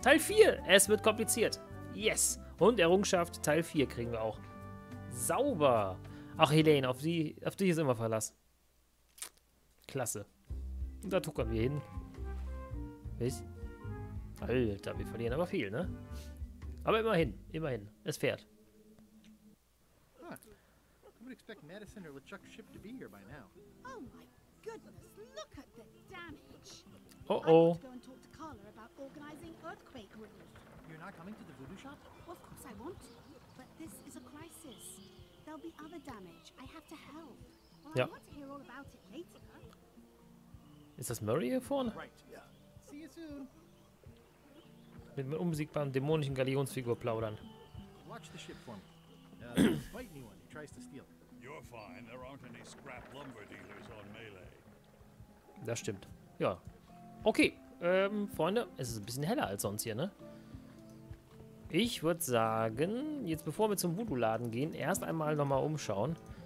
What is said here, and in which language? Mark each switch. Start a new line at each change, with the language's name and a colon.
German: Teil 4, es wird kompliziert.
English: Yes.
German: Und Errungenschaft, Teil 4 kriegen wir auch. Sauber. Ach, Helene, auf dich ist immer Verlass. Klasse. Und da tuckern wir hin. Was? Alter, wir verlieren aber viel, ne? Aber immerhin. Es fährt.
English: Huh. I would expect Madison or LeChuck's ship to be here by now. Oh my goodness, look at the damage. Oh oh. I want to go and talk to Carla about organizing earthquake relief. You're not coming to the voodoo shop? Of course I want to, but this is a crisis. There'll be other damage. I have to help. Well,
German: ja.
English: I want to hear all about it later.
German: Ist das Murray hier vorne?
English: Right, yeah. See you soon.
German: Mit einem unbesiegbaren dämonischen Galionsfigur plaudern.
English: Watch the ship for me. Fight anyone who tries to steal. You're fine. There aren't any scrap lumber dealers on Melee.
German: Das stimmt. Ja. Okay, Freunde, es ist ein bisschen heller als sonst hier, ne? Ich würde sagen, jetzt bevor wir zum Voodoo-Laden gehen, erst einmal nochmal umschauen.